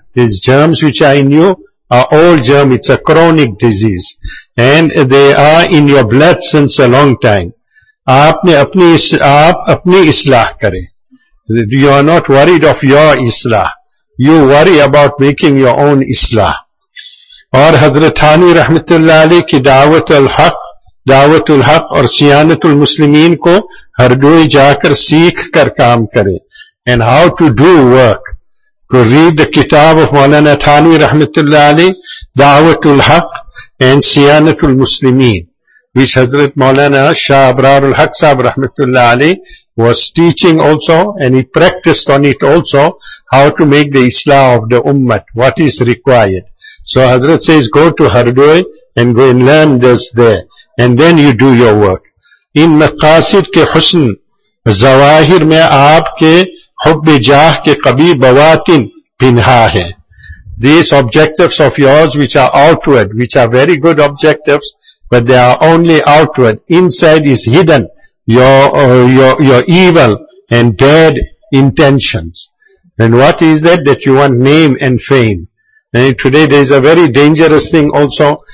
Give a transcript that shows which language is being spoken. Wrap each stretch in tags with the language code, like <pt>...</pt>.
<en>These germs which are in you are old germs. It's a chronic disease. And they are in your blood since a long time.</en> <ur>Aap apni islah kare.</ur> <en>You are not worried of your islah. You worry about making your own islah.</en> <ur>اور حضرت تھانوی رحمت اللہ علیہ کی دعوت الحق اور صیانت المسلمین کو ہر دوئی جا کر سیکھ کر کام کرے.</ur> <en>And how to do work, to read the کتاب of Maulana Thanvi رحمت اللہ علیہ, دعوت الحق and صیانت المسلمین, which حضرت مولانا شاہ ابرار الحق صاحب رحمت اللہ علیہ was teaching also, and he practiced on it also, how to make the Islam of the Ummah, what is required. So Hazrat says, go to Hardoi and go and learn this there. And then you do your work.</en> <ur>ان مقاصد کے حسن ظواہر میں آپ کے حب جاہ کے قبی بواطن پنہا ہے.</ur> <en>These objectives of yours which are outward, which are very good objectives, but they are only outward. Inside is hidden your evil and bad intentions. And what is that? That you want name and fame. And today there is a very dangerous thing also.</en>